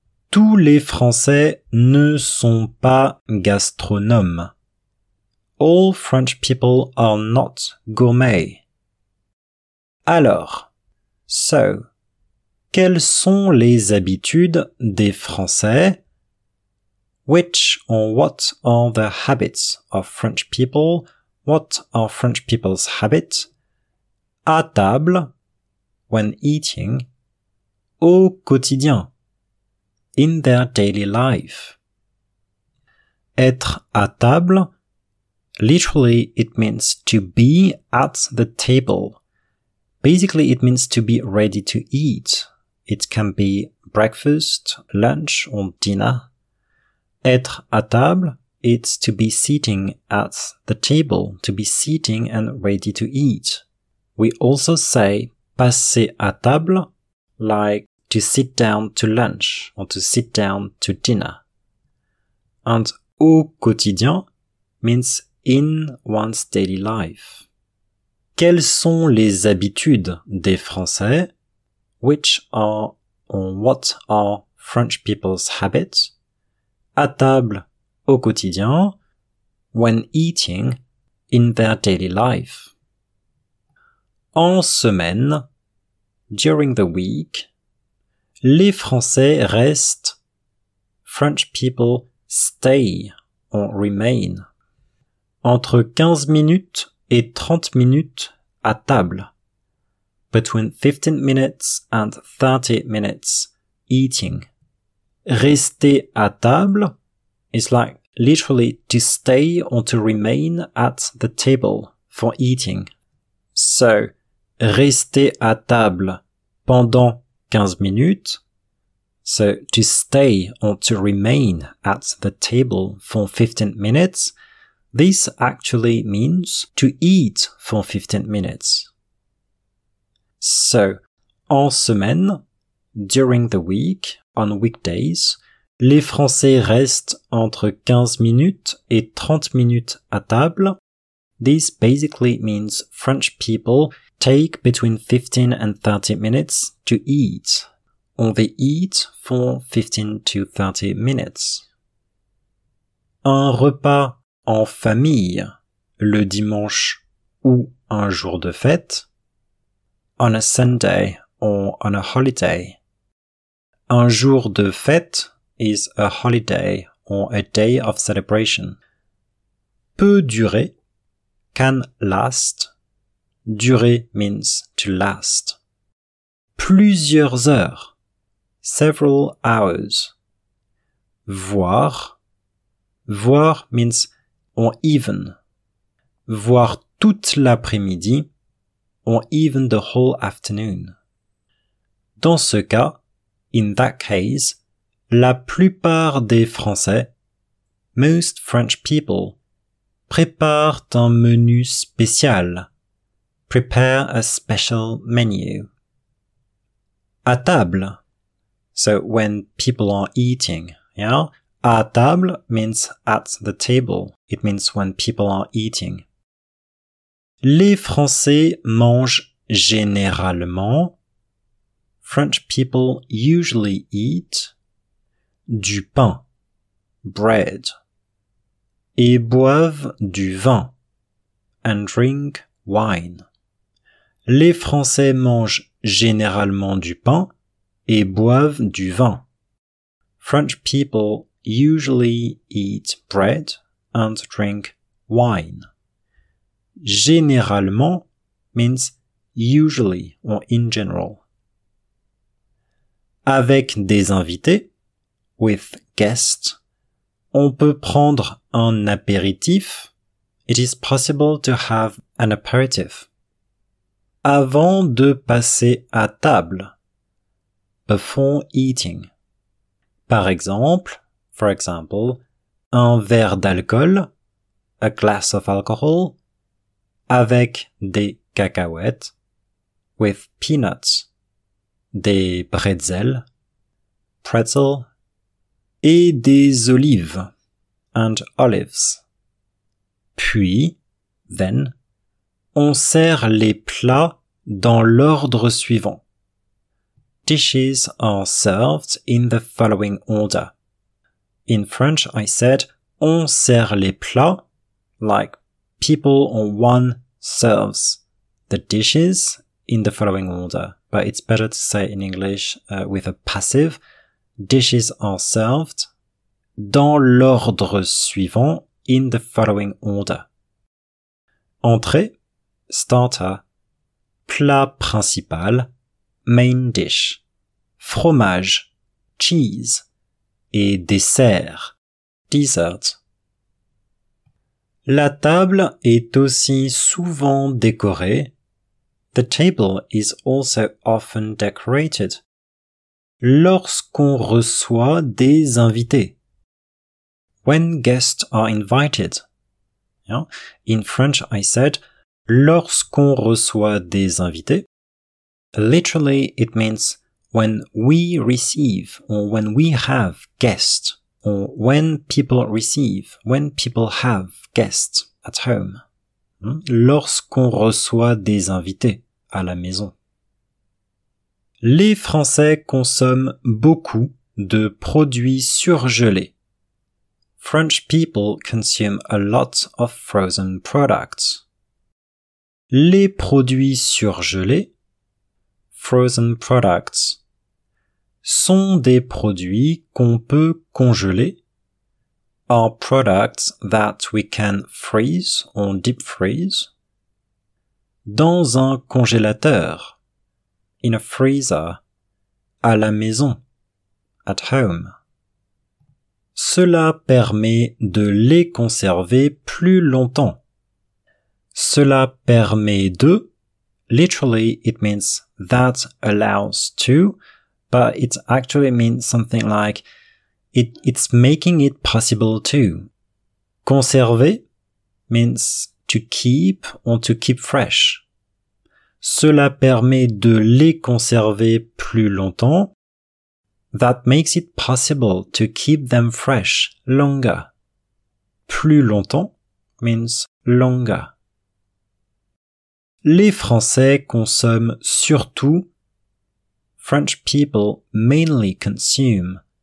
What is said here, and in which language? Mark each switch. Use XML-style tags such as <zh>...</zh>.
<fr>tous les Français ne sont pas gastronomes.</fr> <en>All French people are not gourmets.</en> <fr>Alors,</fr> <en>so,</en> <fr>quelles sont les habitudes des Français?</fr> <en>Which or what are the habits of French people? What are French people's habits?</en> <fr>À table,</fr> <en>when eating,</en> <fr>au quotidien,</fr> <en>in their daily life.</en> <fr>Être à table,</fr> <en>literally it means to be at the table. Basically it means to be ready to eat. It can be breakfast, lunch or dinner.</en> <fr>Être à table,</fr> <en>it's to be sitting at the table, to be sitting and ready to eat. We also say</en> <fr>passer à table,</fr> <en>like to sit down to lunch or to sit down to dinner. And</en> <fr>au quotidien</fr> <en>means in one's daily life.</en> <fr>Quelles sont les habitudes des Français?</fr> <en>Which are or what are French people's habits?</en> <fr>À table, au quotidien,</fr> <en>when eating, in their daily life.</en> <fr>En semaine,</fr> <en>during the week,</en> <fr>les Français restent,</fr> <en>French people stay or remain,</en> <fr>entre 15 minutes et 30 minutes à table,</fr> <en>between 15 minutes and 30 minutes eating.</en> <fr>Rester à table</fr> <en>is like literally to stay or to remain at the table for eating.</en> <fr>So, rester à table pendant 15 minutes.</fr> <en>So, to stay or to remain at the table for 15 minutes. This actually means to eat for 15 minutes.</en> <fr>So, en semaine,</fr> <en>during the week, on weekdays,</en> <fr>les Français restent entre 15 minutes et 30 minutes à table.</fr> <en>This basically means French people take between 15 and 30 minutes to eat. Or they eat for 15 to 30 minutes.</en> <fr>Un repas en famille, le dimanche ou un jour de fête.</fr> <en>On a Sunday or on a holiday.</en> <fr>Un jour de fête</fr> <en>is a holiday or a day of celebration.</en> <fr>Peut durer,</fr> <en>can last. Durer means to last.</en> <fr>Plusieurs heures,</fr> <en>several hours.</en> <fr>Voir, voir means</fr> <en>or even.</en> <fr>Voir toute l'après-midi,</fr> <en>or even the whole afternoon.</en> <fr>Dans ce cas,</fr> <en>in that case,</en> <fr>la plupart des Français,</fr> <en>most French people,</en> <fr>préparent un menu spécial,</fr> <en>prepare a special menu.</en> <fr>À table,</fr> <en>so when people are eating, yeah?</en> <fr>À table</fr> <en>means at the table, it means when people are eating.</en> <fr>Les Français mangent généralement,</fr> <en>French people usually eat,</en> <fr>du pain,</fr> <en>bread,</en> <fr>et boivent du vin,</fr> <en>and drink wine.</en> <fr>Les Français mangent généralement du pain et boivent du vin.</fr> <en>French people usually eat bread and drink wine.</en> <fr>Généralement</fr> <en>means usually or in general.</en> <fr>Avec des invités,</fr> <en>with guests,</en> <fr>on peut prendre un apéritif.</fr> <en>It is possible to have an aperitif.</en> <fr>Avant de passer à table,</fr> <en>before eating.</en> <fr>Par exemple,</fr> <en>for example,</en> <fr>un verre d'alcool,</fr> <en>a glass of alcohol,</en> <fr>avec des cacahuètes,</fr> <en>with peanuts,</en> <fr>des bretzels,</fr> <en>pretzel,</en> <fr>et des olives,</fr> <en>and olives.</en> <fr>Puis,</fr> <en>then,</en> <fr>on sert les plats dans l'ordre suivant.</fr> <en>Dishes are served in the following order. In French, I said,</en> <fr>on sert les plats,</fr> <en>like people on one serves the dishes in the following order. But it's better to say in English with a passive. Dishes are served</en> <fr>dans l'ordre suivant,</fr> <en>in the following order. Entrée, starter.</en> <fr>Plat principal,</fr> <en>main dish.</en> <fr>Fromage,</fr> <en>cheese.</en> <fr>Et dessert,</fr> <en>dessert.</en> <fr>La table est aussi souvent décorée.</fr> <en>The table is also often decorated.</en> <fr>Lorsqu'on reçoit des invités.</fr> <en>When guests are invited. Yeah. In French, I said,</en> <fr>lorsqu'on reçoit des invités.</fr> <en>Literally, it means when we receive, or when we have guests, or when people receive, when people have guests at home.</en> <fr>Lorsqu'on reçoit des invités à la maison. Les Français consomment beaucoup de produits surgelés.</fr> <en>French people consume a lot of frozen products.</en> <fr>Les produits surgelés,</fr> <en>frozen products,</en> <fr>sont des produits qu'on peut congeler,</fr> <en>are products that we can freeze or deep freeze,</en> <fr>dans un congélateur,</fr> <en>in a freezer,</en> <fr>à la maison,</fr> <en>at home.</en> <fr>Cela permet de les conserver plus longtemps. Cela permet de,</fr> <en>literally it means that allows to, but it actually means something like it's making it possible to.</en> <fr>Conserver</fr> <en>means to keep or to keep fresh.</en> <fr>Cela permet de les conserver plus longtemps.</fr> <en>That makes it possible to keep them fresh longer.</en> <fr>Plus longtemps</fr> <en>means longer.</en> <fr>Les Français consomment surtout,</fr> <en>French people mainly consume,</en>